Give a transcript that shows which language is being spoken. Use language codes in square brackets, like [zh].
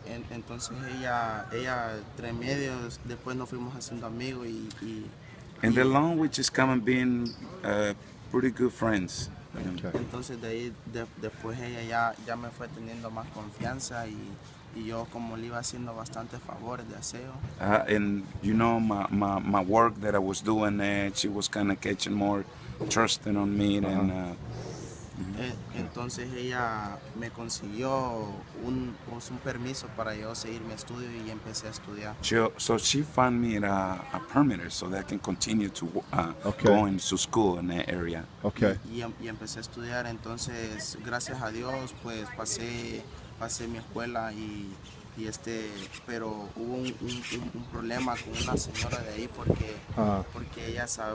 [es] Entonces ella tres medios después nos fuimos haciendo amigos y [en] in the long we just come and being pretty good friends. Okay. [es] Entonces de ahí después ella ya me fue teniendo más confianza y yo como le iba haciendo bastantes favores de aseo. [en] And you know my work that I was doing, she was kind of catching more trusting on me and [es] entonces ella me consiguió un permiso para yo seguir mi estudio y empecé a estudiar. [en] So she found me a permit so that I can continue to go into school in that area. Okay. [es] Y empecé a estudiar, entonces gracias a Dios pues pasé mi escuela y pero hubo un problema con una señora de ahí porque ella